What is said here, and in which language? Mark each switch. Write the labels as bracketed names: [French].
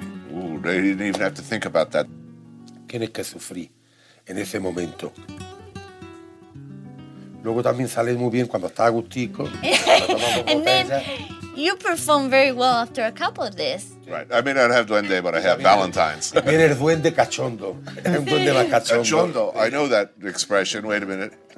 [English] Ooh, they didn't even have to think about that. [Spanish] Tienes que sufrir en ese momento. Luego también sale muy bien cuando estás a gustico. [English] And then you perform very well after a couple of this. Right. I may not have duende, but I have Valentine's. [Spanish] Viene el duende cachondo. Un duende más cachondo. [English] Cachondo. I know that expression. Wait a minute.